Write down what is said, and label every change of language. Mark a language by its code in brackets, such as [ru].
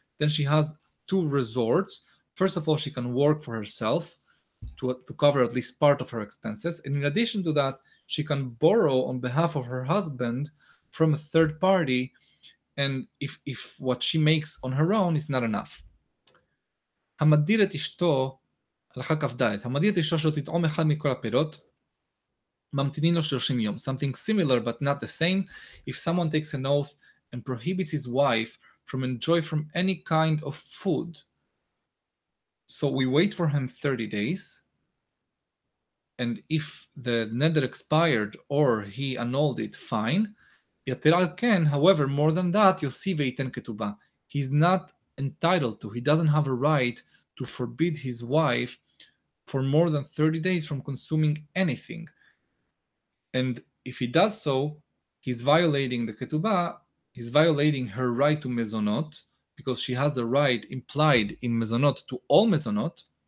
[en] Then she has two resorts. First of all, she can work for herself to cover at least part of her expenses. And in addition to that, she can borrow on behalf of her husband from a third party. And if what she makes on her own is not enough. [he] המדיר את אשתו, הלכה כבדלת, המדיר את אשתו שלא תטעום אחד מכל הפירות, ממתינים לו 30 יום. [en] Something similar but not the same. If someone takes an oath and prohibits his wife from enjoying from any kind of food, so we wait for him 30 days, and if the neder expired or he annulled it, fine. [he] יתר על כן, [en] however, more than that, [he] יוסי ויתן כתובה. [en] He's not entitled to, he doesn't have a right to forbid his wife for more than 30 days from consuming anything. And if he does so, he's violating the ketubah, he's violating her right to mezonot, because she has the right implied in mezonot to all mezonot.